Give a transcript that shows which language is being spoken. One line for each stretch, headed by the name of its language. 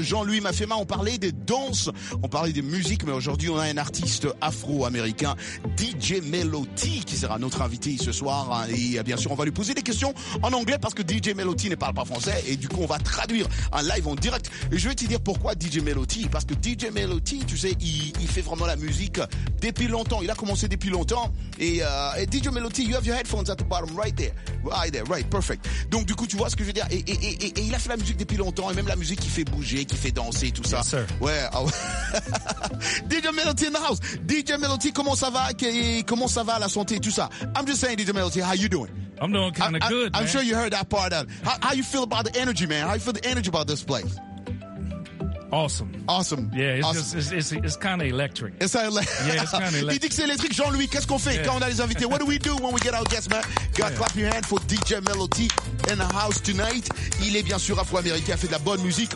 French: Jean-Louis Mafema, on parlait des danses, on parlait des musiques, mais aujourd'hui on a un artiste afro-américain, DJ Melody, qui sera notre invité ce soir. Et bien sûr, on va lui poser des questions en anglais parce que DJ Melody ne parle pas français. Et du coup, on va traduire un live en direct. Et je vais te dire pourquoi DJ Melody. Parce que DJ Melody, tu sais, il fait vraiment la musique depuis longtemps. Il a commencé depuis longtemps.
English: Et DJ Melody, you have your headphones at the bottom, right there. Right there, right, perfect.
French: Donc du coup, tu vois ce que je veux dire. Et il a fait la musique depuis longtemps, et même la musique qui fait bouger, qui fait danser, tout ça.
English: Yes, sir.
French: Ouais. Oh. DJ Melody
English: in the house.
French: DJ Melody, comment ça va? Comment ça va la santé, tout ça?
English: I'm just saying, DJ Melody, how you doing? I'm doing kind of good, I'm I'm sure you heard that part of it. How you feel about the energy, man? How you feel the energy about this place? Awesome. Yeah, it's awesome. Just, it's kind of electric. It's kind of electric. Yeah, it's kind of electric.
French: Il dit que c'est électrique. Jean-Louis, qu'est-ce qu'on fait quand on a les invités?
English: What do we do when we get our guests, man? God, clap your hand for DJ Melody in the house tonight.
French: Il est bien sûr afro-américain, fait de la bonne musique.